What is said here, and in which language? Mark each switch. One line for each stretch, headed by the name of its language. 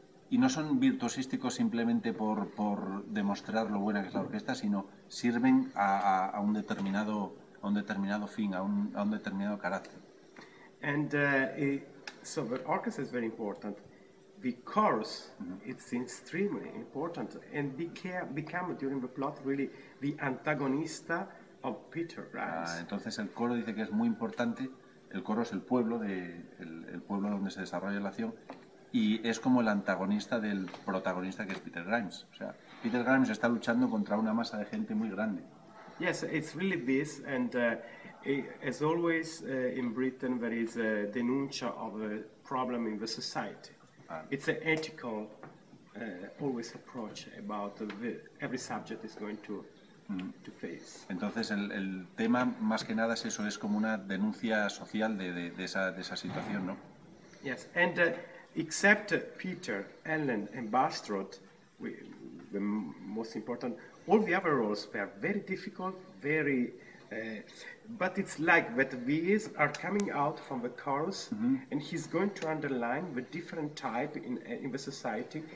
Spanish: Y no son virtuosísticos simplemente por demostrar lo buena que es la orquesta, sino sirven a un determinado fin, a un determinado carácter.
English: And so the orchestra is very important. The chorus, it's extremely important, and become during the plot really the antagonista of Peter Rice.
Spanish: Ah, entonces el coro dice que es muy importante. El coro es el pueblo donde se desarrolla la acción. Y es como el antagonista del protagonista, que es Peter Grimes. O sea, Peter Grimes está luchando contra una masa de gente muy grande.
English: Yes, it's really this, and as always in Britten, there is a denuncia of a problem in the society. Ah. It's an ethical always approach about every subject is going to face.
Spanish: Entonces el tema más que nada es eso, es como una denuncia social de esa situación, ¿no?
English: Yes, and except Peter, Ellen, and Bastrot, the most important, all the other roles were very difficult, very. But it's like that these are coming out from the chorus, and he's going to underline the different type in the society.